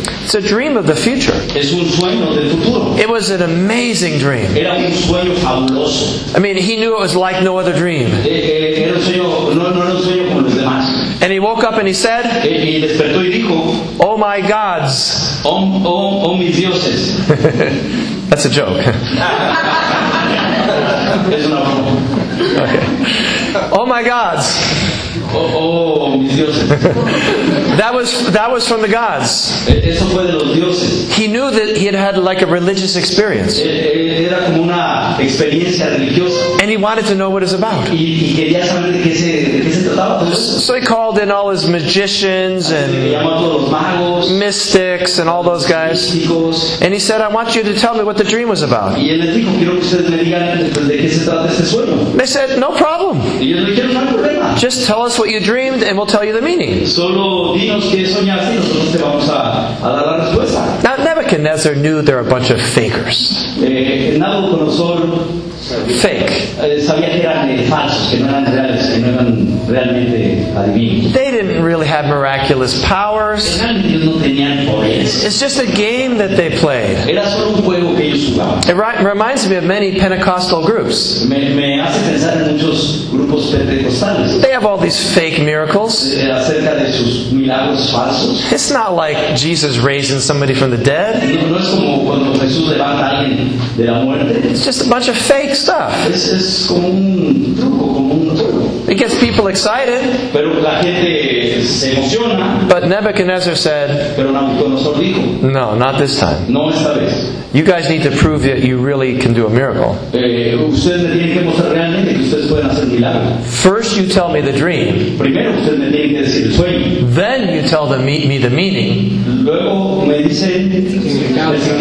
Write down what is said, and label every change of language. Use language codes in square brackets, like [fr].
[en] It's a dream of the future. [es] Es un sueño del futuro. [en] It was an amazing dream. [es] Era un sueño fabuloso. [en] I mean, he knew it was like no other dream. [es] Era un sueño como los demás. [en] And he woke up and he said, [es] y despertó y dijo, [en] oh my gods. [es] Oh mis dioses. [en] That's a joke. [es] Es una broma. [en] Okay. Oh my gods. [es] Oh mis dioses. [en] That was from the gods. [es] Eso fue de los dioses. [en] He knew that he had had like a religious experience. [es] Era como una experiencia religiosa. [en] And he wanted to know what it's about. [es] Y quería saber de qué se trataba. [en] So he called in all his magicians and [es] magos, [en] mystics and all those guys. [es] Místicos. [en] And he said, I want you to tell me what the dream was about. [es] Y él les dijo, quiero que ustedes me digan de qué se trata este sueño. [en] They said, no problem. [es] Y yo dije, no hay problema. [en] Just tell us what you dreamed and we'll tell you the meaning. [es] Solo dinos qué soñaste y nosotros te vamos a dar la respuesta. [en] Now Nebuchadnezzar knew they're a bunch of fakers. [es] Nabucodonosor, [en] fake. [es] Sabía que eran falsos, que no eran reales, que no eran realmente adivinos. [en] They didn't really have miraculous powers. [es] No tenían poderes. [en] It's just a game that they played. [es] Era solo un juego que ellos jugaban. [en] It reminds me of many Pentecostal groups. [es] Me hace pensar en muchos grupos pentecostales. [en] They have all these fake miracles. [es] Acerca de sus milagros falsos. [en] It's not like Jesus raising somebody from the dead. [es] No es como cuando Jesús levanta a alguien de la muerte. [en] It's just a bunch of fake stuff. [es] Es como un truco, como un truco. [en] It gets people excited. [es] Pero la gente se emociona. [en] But Nebuchadnezzar said, [es] pero Nabucodonosor dijo, [en] no, not this time. [es] No esta vez. [en] You guys need to prove that you really can do a miracle. [es] Ustedes me tienen que mostrar realmente que ustedes pueden hacer milagros. [en] First you tell me the dream. [es] Primero ustedes me tienen que decir el sueño. [en] Then you tell them, me the meaning. [es] Luego me dicen el significado.